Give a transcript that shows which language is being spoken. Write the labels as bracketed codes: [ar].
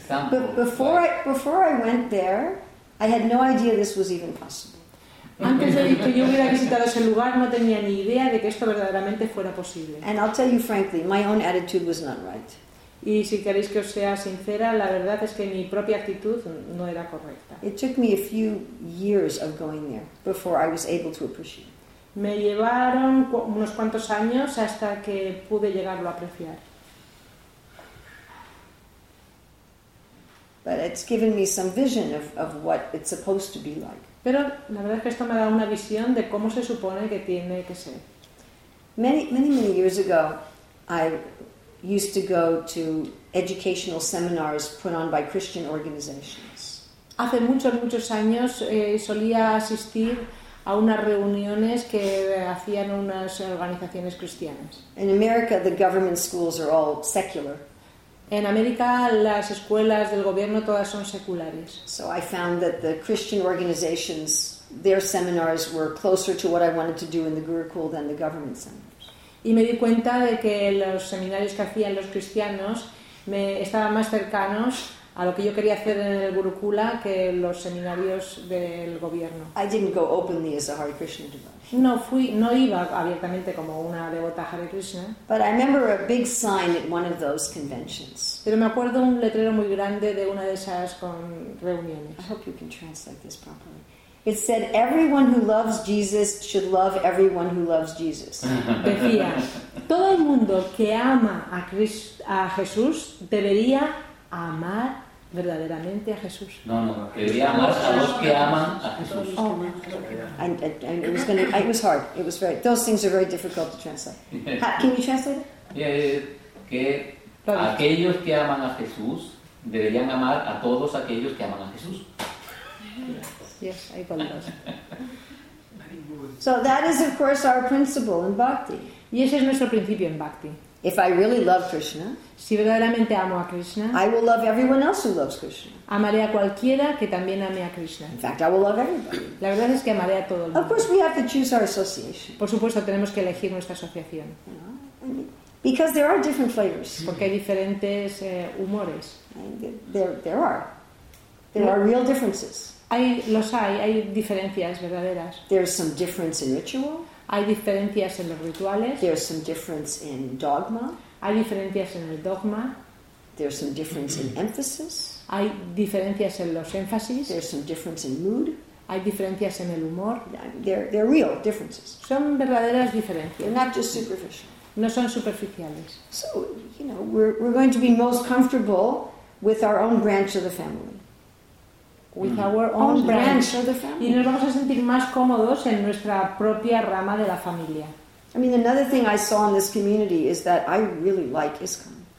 [en] But before I went there, I had no idea this was even possible. [es] Antes de que yo hubiera visitado ese lugar, no tenía ni idea de que esto verdaderamente fuera posible. [en] And I'll tell you frankly, my own attitude was not right. [es] Y si queréis que os sea sincera, la verdad es que mi propia actitud no era correcta. [en] It took me a few years of going there before I was able to appreciate. [es] Me llevaron unos cuantos años hasta que pude llegarlo a apreciar. [en] But it's given me some vision of what it's supposed to be like. [es] Pero la verdad es que esto me da una visión de cómo se supone que tiene que ser. [en] Many years ago, I used to go to educational seminars put on by Christian organizations. [es] Hace muchos años solía asistir a unas reuniones que hacían unas organizaciones cristianas. [en] In America, the government schools are all secular. [es] En América las escuelas del gobierno todas son seculares. [en] So I found that the Christian organizations, their seminars were closer to what I wanted to do in the Gurukul than the government seminars. [es] Y me di cuenta de que los seminarios que hacían los cristianos me estaban más cercanos a lo que yo quería hacer en el Gurukula que los seminarios del gobierno. [en] I didn't go openly as a Hare Krishna devotee. [es] No iba abiertamente como una devota Hare Krishna. [en] But I remember a big sign at one of those conventions. [es] Pero me acuerdo un letrero muy grande de una de esas reuniones. [en] I hope you can translate this properly. It said, "Everyone who loves Jesus should love everyone who loves Jesus." [es] Decía, todo el mundo que ama a Jesús debería amar verdaderamente a Jesús. No, quería amar a los que aman a Jesús. [en] Oh, and it was going to, it was hard. It was very, those things are very difficult to translate. Can you translate it? Yeah. [es] Aquellos que aman a Jesús deberían amar a todos aquellos que aman a Jesús. Yes, ahí pondrás. [en] So that is, of course, our principle in bhakti. [es] Y ese es nuestro principio en bhakti. [en] If I really love Krishna, [es] si verdaderamente amo a Krishna, [en] I will love everyone else who loves Krishna. [es] Amaré a cualquiera que también ame a Krishna. [en] In fact, I will love everybody. [es] La verdad es que amaré a todo el mundo. [en] Of course, we have to choose our association. [es] Por supuesto, tenemos que elegir nuestra asociación. [en] Because there are different flavors. [es] Porque hay diferentes humores. [en] There are real differences. [es] Hay diferencias verdaderas. [en] There's some difference in ritual. [es] Hay diferencias en los rituales. [en] There's some difference in dogma. [es] Hay diferencias en el dogma. [en] There's some difference in emphasis. [es] Hay diferencias en los énfasis. [en] There's some difference in mood. [es] Hay diferencias en el humor. [en] They're real differences. [es] Son verdaderas diferencias. [en] They're not just superficial. [es] No son superficiales. [en] So, you know, we're going to be most comfortable with our own branch of the family. With our own branch of the family. [es] Y nos vamos a sentir más cómodos en nuestra propia rama de la familia. [en] I mean, another thing I saw in this community is that I really like ISKCON.